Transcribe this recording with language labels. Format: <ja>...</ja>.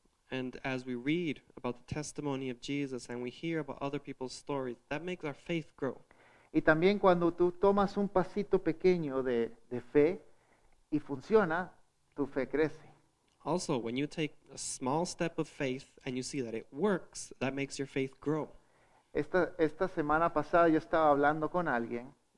<en>And as we read about the testimony of Jesus and we hear about other people's stories, that makes our faith grow.</en> <es>Y también cuando tú tomas un pasito pequeño de fe y funciona, tu fe crece.</es> <en>Also, when you take a small step of faith and you see that it works, that makes your faith grow.</en> <es>Esta semana pasada yo estaba hablando con alguien.</es>